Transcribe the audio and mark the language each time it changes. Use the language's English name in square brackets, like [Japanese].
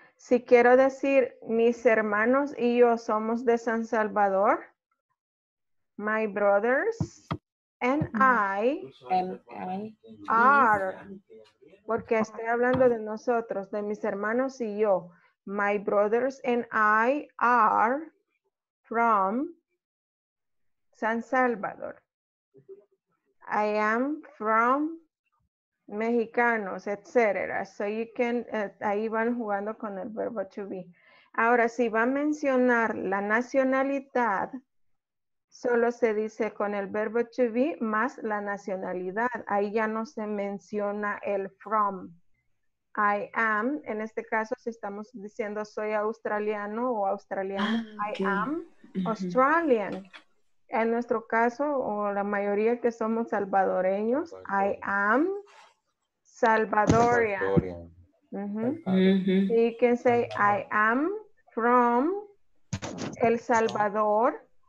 [Spanish] Si quiero decir mis hermanos y yo somos de San Salvador, [English] my brothers and I are. [Spanish] Porque estoy hablando de nosotros, de mis hermanos y yo. [English] My brothers and I are from San Salvador. I am from Mexicanos, etcétera. So you can, [Spanish] ahí van jugando con el verbo to be. Ahora, si va a mencionar la nacionalidad, solo se dice con el verbo to be más la nacionalidad. Ahí ya no se menciona el from. I am, en este caso, si estamos diciendo soy australiano o australiana, okay. [English] I am Australian. [Spanish] En nuestro caso, o la mayoría que somos salvadoreños, [English] I am Salvadorian. Mm-hmm. Mm-hmm. So you can say, I am from El Salvador.